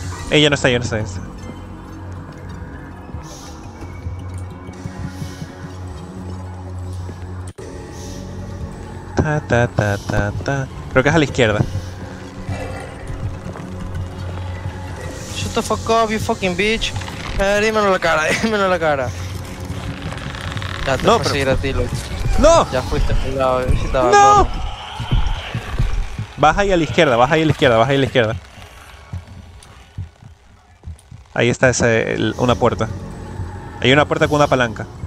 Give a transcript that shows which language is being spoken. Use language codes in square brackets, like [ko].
[es] Ella no está, yo no estoy. Ta ta ta ta ta. Creo que es a la izquierda. [en] Shut the fuck up, you fucking bitch. [es] Dímelo en la cara, dímelo en la cara. Ya te no, voy a seguir a ti, Luke. No. Ya fuiste al lado, estaba. No. Baja ahí a la izquierda, baja ahí a la izquierda, baja ahí a la izquierda. Ahí está esa, una puerta. Hay una puerta con una palanca.